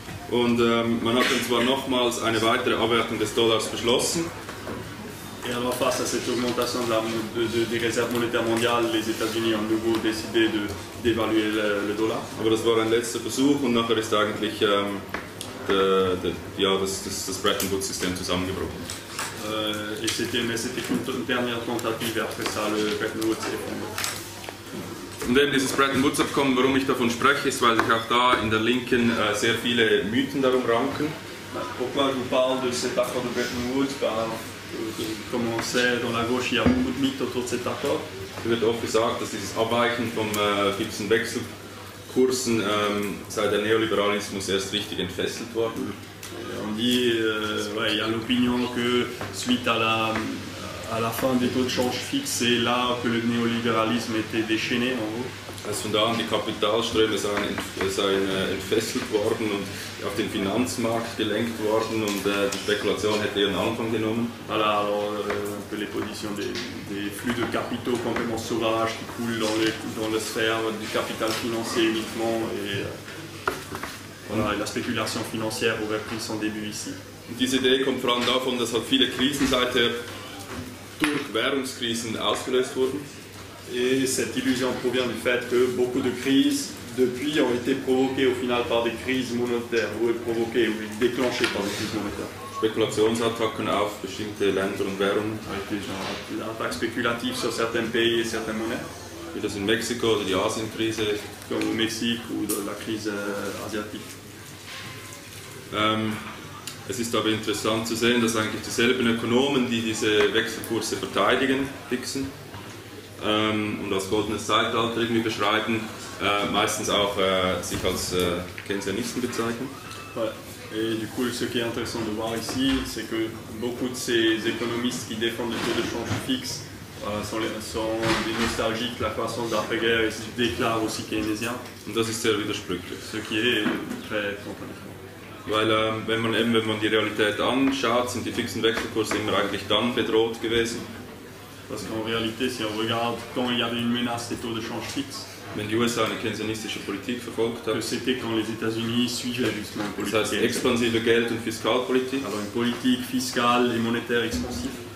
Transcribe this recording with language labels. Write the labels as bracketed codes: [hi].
[de] Und man hat dann zwar nochmals eine weitere Abwertung des Dollars beschlossen. [fr] Et alors face à cette augmentation des réserves monétaires mondiales, les États-Unis ont de nouveau décidé d'évaluer le dollar. [de] Aber das war ein letzter Versuch und nachher ist eigentlich das Bretton Woods-System zusammengebrochen. [fr] Mais c'était une dernière tentative et après ça le Bretton Woods est tombé. [de] Und eben dieses Bretton Woods-Abkommen, warum ich davon spreche, ist, weil sich auch da in der Linken sehr viele Mythen darum ranken. [fr] Pourquoi je vous parle de cet accord de Bretton Woods? Comme on sait, dans la gauche, il y a beaucoup de mythes autour de cet accord. [de] Il wird oft gesagt, dass dieses Abweichen vom fixen Wechselkursen seit der Neoliberalismus erst richtig entfesselt worden. [fr] Il y a l'opinion que suite à la fin des taux de change fixes, c'est là que le néolibéralisme était déchaîné, en gros. [de] Dass von da an die Kapitalströme seien entfesselt worden und auf den Finanzmarkt gelenkt worden und die Spekulation hätte ihren Anfang genommen. [fr] Voilà, alors un peu les positions des flux de capitaux complètement sauvages qui coulent dans la sphère du capital financier uniquement et la spéculation financière aurait pris son début ici. [de] diese Idee kommt vor allem davon, dass halt viele Krisen seither durch Währungskrisen ausgelöst wurden. [fr] Et cette illusion provient du fait que beaucoup de crises depuis ont été provoquées au final par des crises monétaires ou provoquées ou déclenchées par des crises monétaires. [de] Spekulationsattacken auf bestimmte Länder und Währungen. [fr] L'attaque spéculative sur certains pays et certaines monnaies. [de] Wie das in Mexiko oder die Asienkrise. [fr] Comme au Mexique ou dans la crise asiatique. [de] Es ist aber interessant zu sehen, dass eigentlich dieselben Ökonomen, die diese Wechselkurse verteidigen, fixen und als goldenes Zeitalter irgendwie beschreiben, meistens auch sich als Keynesianisten bezeichnen. [fr] Et du coup, ce qui est intéressant de voir ici, c'est que beaucoup de ces économistes qui défendent le taux de change fixe sont des nostalgiques de la croissance d'après-guerre et se déclarent aussi keynésiens. [de] Und das ist sehr widersprüchlich. [fr] Ce qui est très contradictoire. [de] Weil wenn man die Realität anschaut, sind die fixen Wechselkurse immer eigentlich dann bedroht gewesen. [fr] Parce qu'en réalité, si on regarde quand il y avait une menace des taux de change fixe, [de] wenn die USA eine keynesianistische Politik verfolgt haben, [fr] que c'était quand les États-Unis suivaient justement une politique. [de] Das heißt, expansive Geld- und Fiskalpolitik. [fr] Alors une politique fiscale et monétaire expansive.